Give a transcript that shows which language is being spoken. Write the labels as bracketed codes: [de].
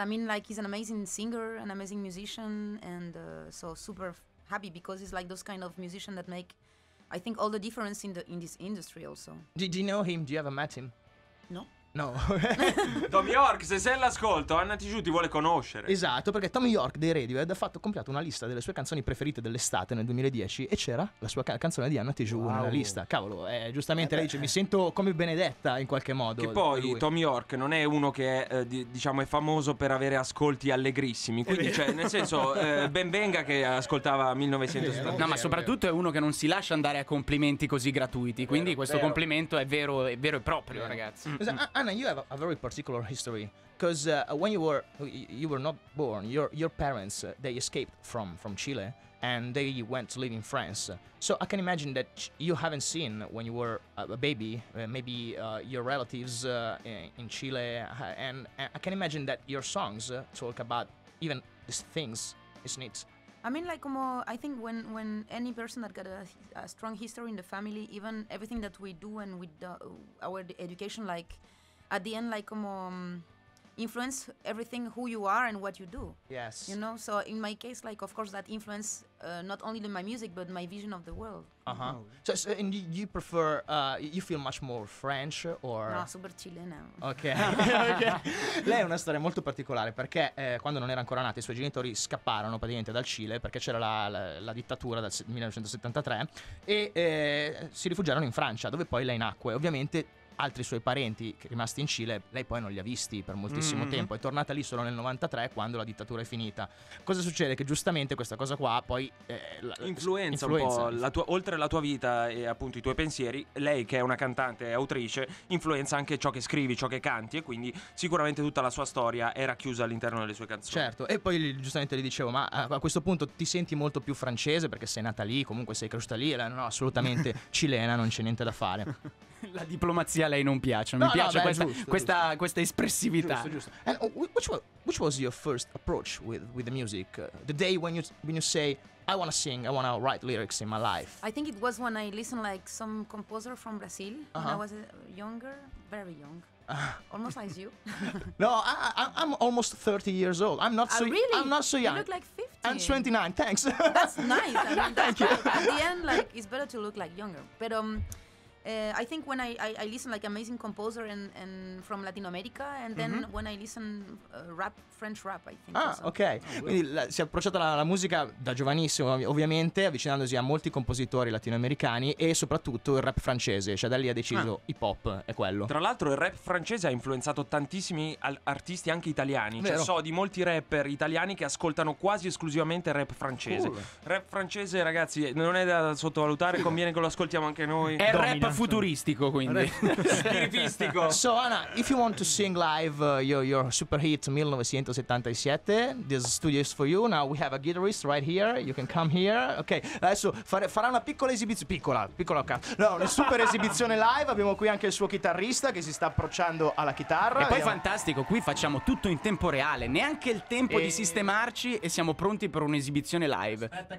[en] I mean, like, he's an amazing singer, an amazing musician, and so super happy, because he's like those kind of musician that make, I think, all the difference in this industry also. Did you know him? Do you ever met him? No. No. [it] Tom York, se sei all'ascolto, Anna Tijoux ti vuole conoscere. Esatto, perché Tom York dei Radiohead ha fatto compiato una lista delle sue canzoni preferite dell'estate nel 2010, e c'era la sua canzone di Anna Tijoux, wow, nella lista. Cavolo, giustamente lei dice, mi sento come benedetta in qualche modo. Che poi Tom York non è uno che è, diciamo, è famoso per avere ascolti allegrissimi, quindi cioè, nel senso, ben venga che ascoltava 1970. No, ma soprattutto è uno che non si lascia andare a complimenti così gratuiti, quindi vero, questo vero. Complimento è vero e proprio, vero. Ragazzi. [en] Anna, you have a very particular history, because when you were not born, your parents, they escaped from Chile, and they went to live in France. So I can imagine that you haven't seen, when you were a baby, maybe your relatives in Chile, and I can imagine that your songs talk about even these things, isn't it? I mean, like, I think when any person that got a strong history in the family, even everything that we do and with our education, like, at the end, like, influence everything, who you are and what you do. Yes. You know, so in my case, like, of course, that influence not only my music, but my vision of the world. Uh-huh. Mm-hmm. So and you prefer, you feel much more French or... [es] No, super chilena. [en] Okay. Okay. [it] Lei è una storia molto particolare, perché quando non era ancora nata, i suoi genitori scapparono praticamente dal Cile, perché c'era la dittatura dal 1973, e si rifugiarono in Francia, dove poi lei nacque. Ovviamente... altri suoi parenti rimasti in Cile, lei poi non li ha visti per moltissimo tempo, è tornata lì solo nel 93, quando la dittatura è finita. Cosa succede? Che giustamente questa cosa qua poi influenza un po' la tua, oltre la tua vita e appunto i tuoi pensieri, lei che è una cantante e autrice influenza anche ciò che scrivi, ciò che canti, e quindi sicuramente tutta la sua storia era chiusa all'interno delle sue canzoni. Certo, e poi giustamente gli dicevo, ma a questo punto ti senti molto più francese perché sei nata lì, comunque sei cresciuta lì, no, assolutamente cilena, non c'è niente da fare. La diplomazia a lei non piace, non no, mi piace no, beh, questa espressività. Giusto. [en] And which was your first approach with the music? The day when you say I want to sing, I want to write lyrics in my life. I think it was when I listened like some composer from Brazil, uh-huh, when I was younger, very young. Almost as you. No, I'm almost 30 years old. I'm not so really? I'm not so young. You look like 50. I'm 29. Thanks. That's nice. I mean, that's thank you. At the end, like, it's better to look like younger. But I think when I listen like amazing composer and from Latin America and then mm-hmm. when I listen rap French rap I think. Ah, also. Ok. Oh, well. [it] Quindi si è approcciata alla musica da giovanissimo, ovviamente, avvicinandosi a molti compositori latinoamericani e soprattutto il rap francese, cioè da lì ha deciso hip hop è quello. Tra l'altro il rap francese ha influenzato tantissimi artisti anche italiani, cioè so di molti rapper italiani che ascoltano quasi esclusivamente rap francese. Cool. Rap francese, ragazzi, non è da sottovalutare, conviene che lo ascoltiamo anche noi. È rap futuristico, quindi schifistico. [en] So Anna, if you want to sing live your super hit 1977, this studio is for you. Now we have a guitarist right here, you can come here. [it] Ok, adesso farà una piccola esibizione, piccola no, una super esibizione live. Abbiamo qui anche il suo chitarrista che si sta approcciando alla chitarra. E poi fantastico, qui facciamo tutto in tempo reale, neanche il tempo di sistemarci, e siamo pronti per un'esibizione live.